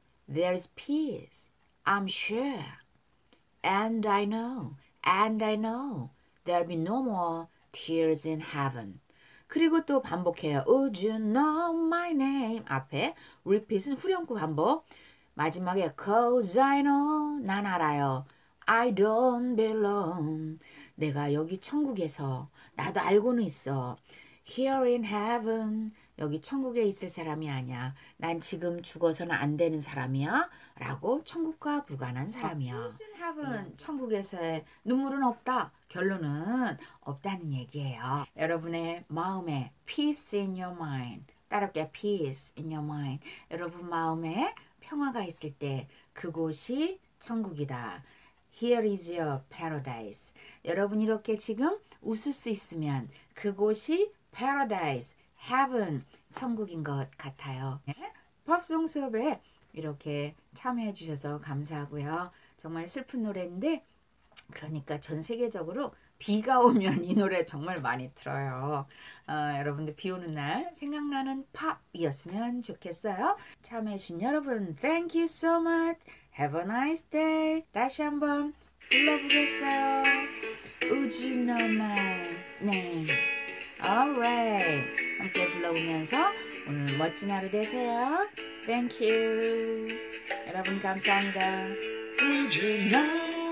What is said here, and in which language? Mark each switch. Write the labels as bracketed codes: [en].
[en] There's peace. I'm sure. And I know. And I know. There'll be no more tears in heaven. [ko] 그리고 또 반복해요. [en] Would you know my name? [ko] 앞에 repeat은 후렴구 반복. 마지막에 [en] Cause I know. [ko] 난 알아요. [en] I don't belong. [ko] 내가 여기 천국에서 나도 알고는 있어. [en] Here in heaven. [ko] 여기 천국에 있을 사람이 아니야. 난 지금 죽어서는 안 되는 사람이야. 라고 천국과 무관한 사람이야. [en] Tears in heaven. [ko] 천국에서의 눈물은 없다. 결론은 없다는 얘기예요. 여러분의 마음에 [en] peace in your mind. [ko] 따라올게. [en] Peace in your mind. [ko] 여러분 마음에 평화가 있을 때 그곳이 천국이다. [en] Here is your paradise. [ko] 여러분 이렇게 지금 웃을 수 있으면 그곳이 paradise, heaven, 천국인 것 같아요. 팝송 수업에 이렇게 참여해 주셔서 감사하고요. 정말 슬픈 노래인데 그러니까 전 세계적으로 비가 오면 이 노래 정말 많이 틀어요. 여러분들 비 오는 날 생각나는 팝이었으면 좋겠어요. 참여해 주신 여러분 [en] Thank you so much. Have a nice day. [ko] 다시 한번 불러보겠어요. [en] Would you know my name? Alright. [ko] 함께 불러보면서 오늘 멋진 하루 되세요. [en] Thank you. [ko] 여러분 감사합니다. [en] Would you know